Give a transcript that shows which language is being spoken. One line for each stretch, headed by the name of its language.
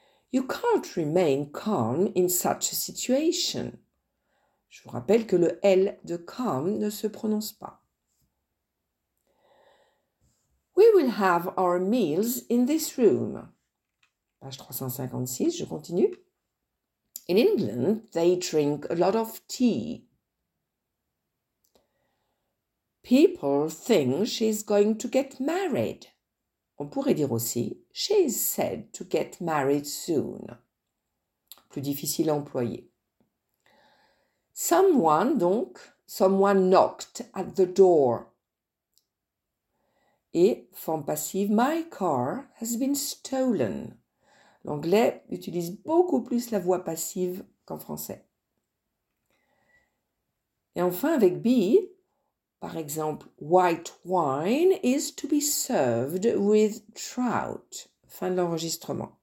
English: You can't remain calm in such a situation.
French: Je vous rappelle que le L de calm ne se prononce pas.
English: We will have our meals in this room. Page 356,
French: je continue.
English: In England, they drink a lot of tea. People think she's going to get married.
French: On pourrait dire aussi «
English: She is said to get married soon.
French: » Plus difficile à employer.
English: Someone, donc, someone knocked at the door.
French: Et, forme passive, «
English: My car has been stolen.
French: » L'anglais utilise beaucoup plus la voix passive qu'en français. Et enfin, avec
English: « be »,
French: par exemple,
English: white wine is to be served with trout.
French: Fin de l'enregistrement.